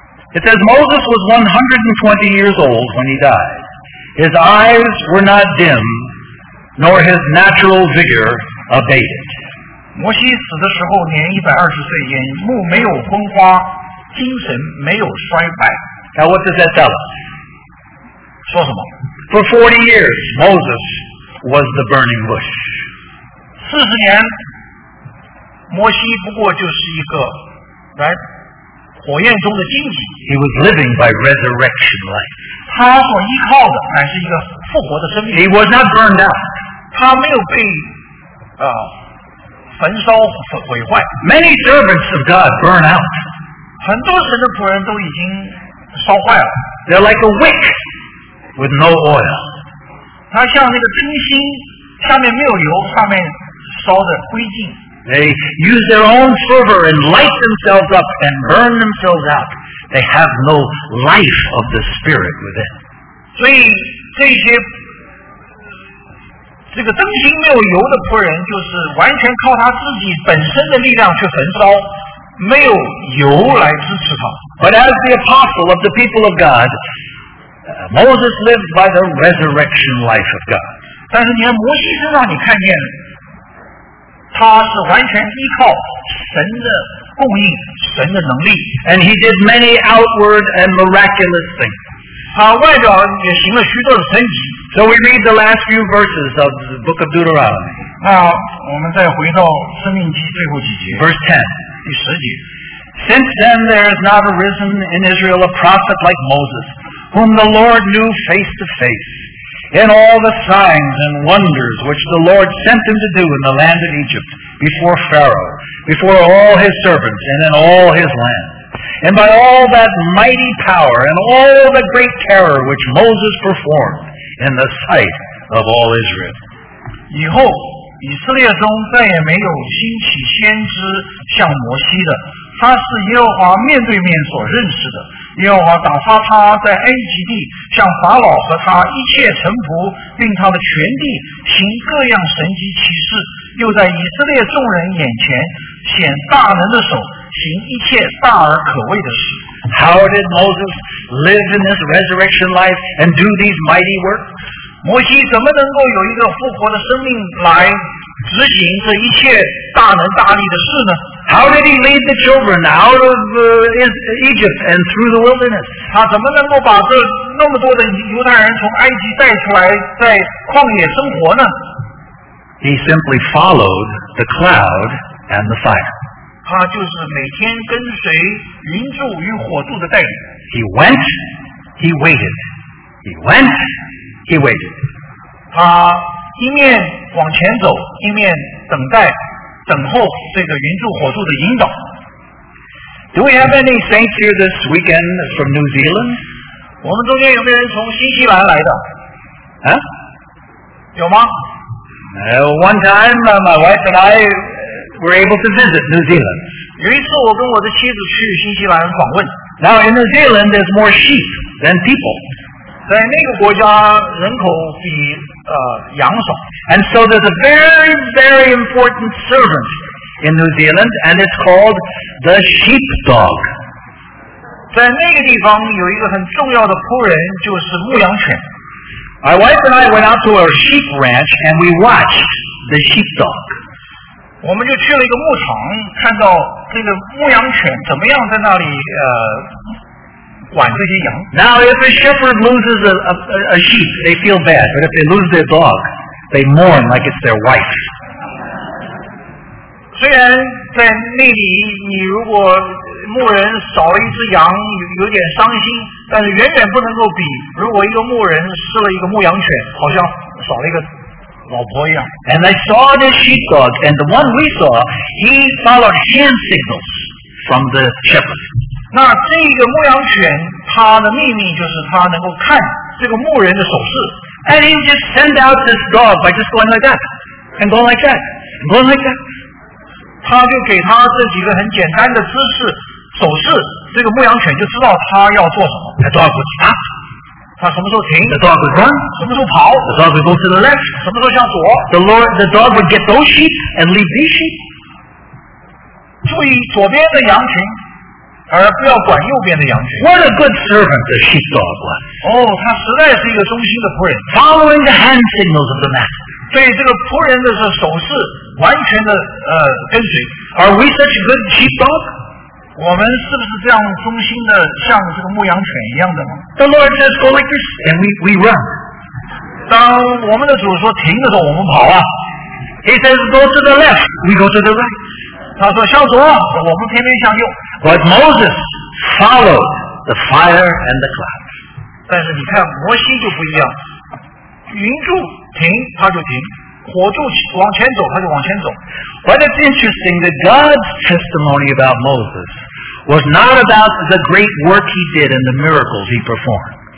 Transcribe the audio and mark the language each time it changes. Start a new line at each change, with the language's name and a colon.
English: it says, Moses was 120 years old when he died. His eyes were not dim, nor his natural vigor abated.
Chinese: 摩西死的时候年120岁，眼目没有昏花，精神没有衰败。
English: Now what does that tell us?
Chinese: 说什么?
English: For 40 years, Moses was the burning bush.
Chinese: 40年摩西不过就是一个
English: right,
Chinese: 火焰中的荆棘。
English: He was living by resurrection life.
Chinese: 他所依靠的乃是一个复活的生命。
English: He was not burned out.
Chinese: 他没有被焚烧毁坏。
English: Many servants of God burn out.
Chinese: 很多神的仆人都已经烧坏了。
English: They're like a wick with no oil.
Chinese: 他像那个灯芯，上面没有油，上面烧的灰烬。
English: They use their own fervor and light themselves up and burn themselves out. They have no life of the Spirit within.
Chinese: 所以这些这个灯芯没有油的仆人，就是完全靠他自己本身的力量去焚烧，没有油来支持他。
English: But as the apostle of the people of God, Moses lived by the resurrection life of God.
Chinese: 但是你看摩西身上，你看见他是完全依靠神的供应，神的能力。
English: And he did many outward and miraculous things.
Chinese: 他外表也行了许多的神迹。
English: So we read the last few verses of the book of Deuteronomy.
Chinese: 那我们再回到生命记最后几节。
English: Verse 10,
Chinese: 第十节。
English: Since then there has not arisen in Israel a prophet like Moses, whom the Lord knew face to face, in all the signs and wonders which the Lord sent him to do in the land of Egypt, before Pharaoh, before all his servants, and in all his land. And by all that mighty power and all the great terror which Moses performed in the sight of all Israel.
Chinese: 以后以色列中再也没有兴起先知像摩西的，他是耶和华面对面所认识的。耶和华打发他在埃及地向法老和他一切臣仆并他的全地行各样神迹奇事，又在以色列众人眼前显大能的手，行一切大而可畏的事。
English: How did Moses live in this resurrection life and do these mighty works?
Chinese: 摩西怎么能够有一个复活的生命来执行这一切大能大力的事呢？
English: How did he lead the children out of Egypt and through the wilderness?
Chinese: 他怎么能够把这那么多的犹太人从埃及带出来在旷野生活呢？
English: He simply followed the cloud and the fire.
Chinese: 他就是每天跟随云柱与火柱的带领。
English: He went, he waited. He went, he waited.
Chinese: 他一面往前走，一面等待，等候这个云柱火柱的引导。
English: Do we have any saints here this weekend from New Zealand?
Chinese: 我们中间有没有人从新西兰来的？啊？有吗？
English: One time, my wife and I were able to visit New Zealand.
Chinese: 有一次我跟我的妻子去新西兰访问。
English: Now in New Zealand, there's more sheep than people.
Chinese: 在那个国家人口比羊少。
English: And so there's a very, very important servant in New Zealand, and it's called the sheepdog.
Chinese: 在那个地方有一个很重要的仆人，就是牧羊犬。
English: My wife and I went out to a sheep ranch, and we watched the sheepdog.
Chinese: 我们就去了一个牧场，看到这个牧羊犬怎么样在那里管这些羊。
English: Now, if a shepherd loses a sheep, they feel bad, but if they lose their dog, they mourn like it's their wife.
Chinese: 虽然在那里，你如果牧人少了一只羊，有点伤心，但是远远不能够比如果一个牧人失了一个牧羊犬，好像少了一个老婆一样。
English: And I saw the sheepdog, and the one we saw, he followed hand signals. from the shepherd.
Chinese: 那这个牧羊犬，它的秘密就是它能够看这个牧人的手势。
English: And he just send out this dog by just going like that, and going like that, and going like that.
Chinese: 他就给他这几个很简单的姿势、手势，这个牧羊犬就知道他要做什么。
English: The dog would stop.
Chinese: 他什么时候停
English: ？The dog would run.
Chinese: 什么时候跑
English: ？The dog would go to the left.
Chinese: 什么时候向左
English: ？The dog would get those sheep and leave these sheep.
Chinese: 注意左边的羊群。而不要管右边的羊群。
English: What a good servant the sheepdog was.
Chinese: 哦，他实在是一个忠心的仆人。
English: Following the hand signals of the master.
Chinese: 对这个仆人的手势完全的跟随。
English: Are we such a good sheepdog?
Chinese: 我们是不是这样忠心的像这个牧羊犬一样的吗
English: ？The Lord says go like this, and we run.
Chinese: 当我们的主说停的时候，我们跑啊。
English: He says go to the left, we go to the right.
Chinese: 他说向左，我们偏偏向右。
English: But Moses followed the fire and the cloud.
Chinese: 但是你看摩西就不一样，云柱停他就停，火柱往前走他就往前走。
English: But it's interesting that God's testimony about Moses was not about the great work he did and the miracles he performed.